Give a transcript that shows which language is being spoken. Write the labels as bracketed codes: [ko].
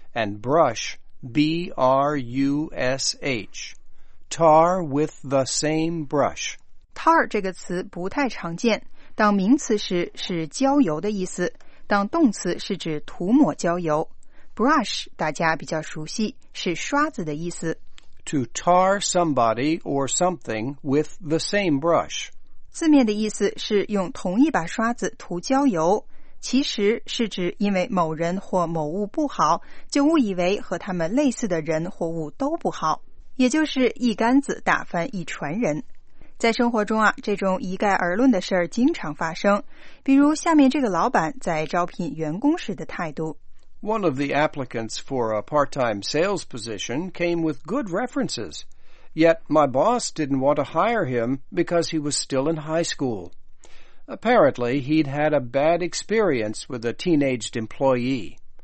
[en] And brush, B-R-U-S-H. Tar with the same brush. [zh] Tar 这个词不太常见，当名词时是焦油的意思，当动词是指涂抹焦油。 Brush 大家比较熟悉，是刷子的意思。 [en] To tar somebody or something with the same brush. [zh] 字面的意思是用同一把刷子涂焦油。其实是指因为某人或某物不好，就误以为和他们类似的人或物都不好，也就是一竿子打翻一船人。在生活中啊，这种一概而论的事儿经常发生，比如下面这个老板在招聘员工时的态度。 [en] One of the applicants for a part-time sales position came with good references, yet my boss didn't want to hire him because he was still in high school. Apparently, he'd had a bad experience with a teenaged employee.